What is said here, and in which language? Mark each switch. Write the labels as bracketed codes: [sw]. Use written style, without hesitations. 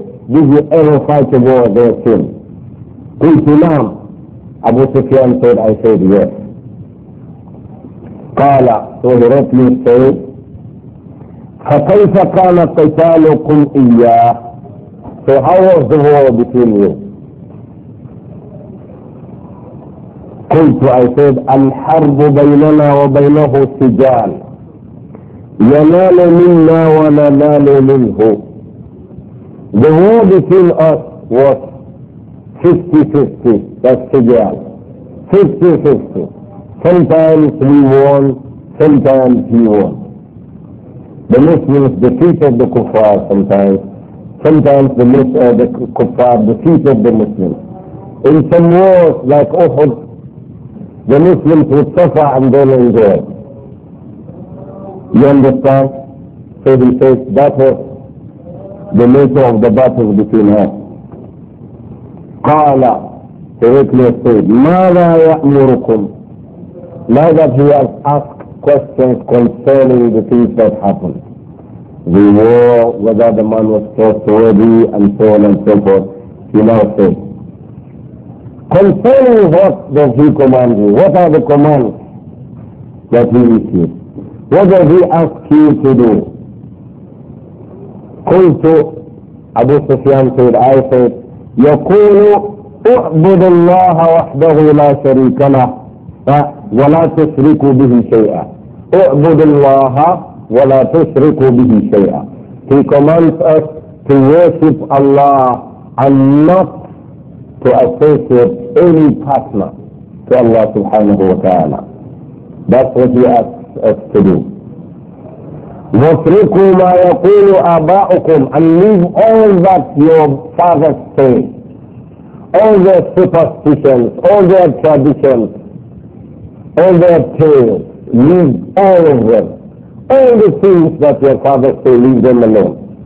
[en] Did you ever fight a war against him? [ar] Qultu naam. [en] Abu Sufyan said, I said yes. [ar] قال وهو ركن الصوم فكيف كان قتالكم اياه؟ [en] So how was the war between you? [ar] قلت [en] I said [ar] الحرب بيننا وبينه سجال ينال منا وننال منه. [en] The war between us was 50-50, that's sijal. 50-50. Sometimes we won, sometimes he won. The Muslims defeated the kuffar sometimes. Sometimes the kuffar defeated the Muslims. In some wars like Uhud, the Muslims would suffer and then endure. You understand? So he says that was the nature of the battle between us. [ar] قال [en] directly said [ar] ماذا يأمركم؟ [en] Now that he has asked questions concerning the things that happened, the war, whether the man was trustworthy and so on and so forth, he now said concerning what does he command you? What are the commands that he issued? What does he ask you to do? [ar] قلت أبو سفيان [en] said, I said [ar] يقول اعبد الله وحده لا شريك له ولا تشرك به شيئا. اعبد الله ولا تشرك به شيئا. [en] He commands us to worship Allah and not to associate any partner to Allah subhanahu wa ta'ala. That's what he asks us to do. [ar] واتركوا ما يقول آباؤكم, [en] and leave all that your fathers say, all their superstitions, all their traditions, all their tales, leave all of them, all the things that your fathers say, leave them alone.